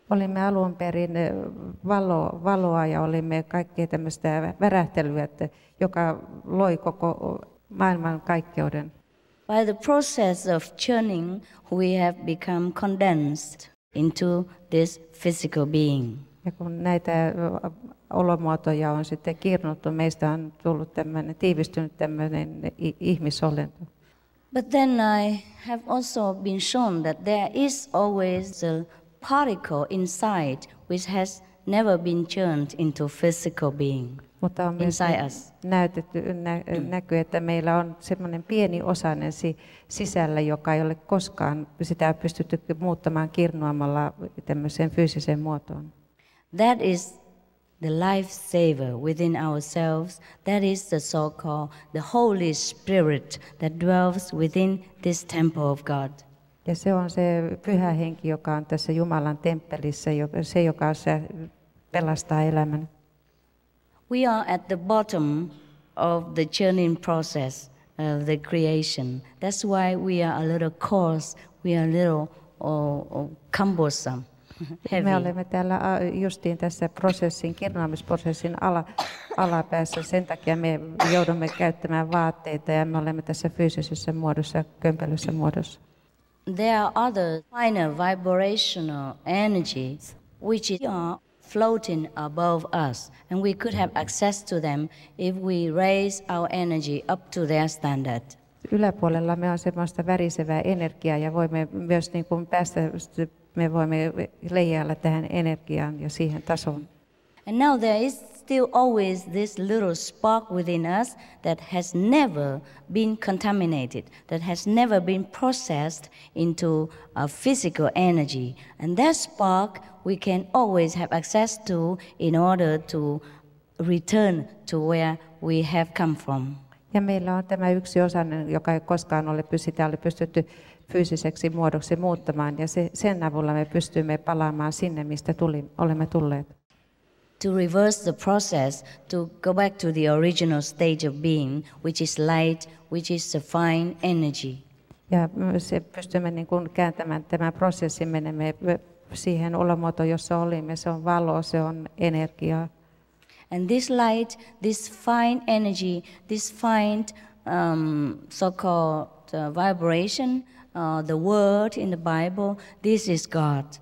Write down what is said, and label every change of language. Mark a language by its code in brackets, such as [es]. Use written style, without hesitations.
[fi] Olimme alun perin valoa ja olimme kaikkea tämmöistä värähtelyä, joka loi koko maailman kaikkeuden. [en] By the process of churning, we have become condensed into this physical being. [fi] Ja kun näitä olomuotoja on sitten kirnuttu, meistä on tullut tämmöinen, tiivistynyt tämmöinen ihmisolento. [en] But then I have also been shown that there is always a particle inside which has never been churned into physical being inside us. [fi] Näkyy, että meillä on semmoinen pieni osanen sisällä, joka ei ole koskaan sitä pystytty muuttamaan kirnuamalla tämmöiseen fyysiseen muotoon. [en] That is the life saver within ourselves. That is the so-called the Holy Spirit that dwells within this temple of God. [fi] Ja se on se pyhä henki, joka on tässä Jumalan temppelissä, se joka se pelastaa elämän. [en] We are at the bottom of the churning process of the creation. That's why we are a little coarse, we are a little cumbersome, heavy. [fi] Me olemme täällä justiin tässä prosessin, kirnaamisprosessin alapäässä. Sen takia me joudumme käyttämään vaatteita ja me olemme tässä fyysisessä muodossa, kömpelyssä muodossa. [en] There are other finer vibrational energies which are floating above us, and we could have access to them if we raise our energy up to their standard. [fi] Yläpuolella me on semmoista värisevää energiaa ja voimme myös niin kuin päästä, me voimme leijailla tähän energiaan ja siihen tasoon. [en] And now there is still always this little spark within us that has never been contaminated, that has never been processed into a physical energy. And that spark we can always have access to in order to return to where we have come from. [fi] Ja meillä on tämä yksi osainen, joka ei koskaan ole pystytty fyysiseksi muodoksi muuttamaan, ja sen avulla me pystymme palaamaan sinne, mistä olemme tulleet. [en] To reverse the process, to go back to the original stage of being, which is light, which is the fine energy. [fi] Ja me pystymme niin kuin kääntämään tämän prosessin, menemme siihen olomuotoon, jossa olimme. Se on valo, se on energiaa. [en] And this light, this fine energy, this fine so-called vibration, the word in the Bible, this is God.